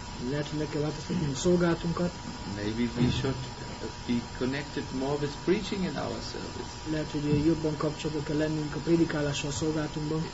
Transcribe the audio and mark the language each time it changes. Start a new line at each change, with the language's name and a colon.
Hungarian: Lehet, hogy meg kell változtatnunk a szolgálatunkat.
English: Maybe we should be connected more with preaching in our service.
Hungarian: Lehet, hogy jobban kapcsolatba kell lennünk a prédikálással a szolgálatunkban.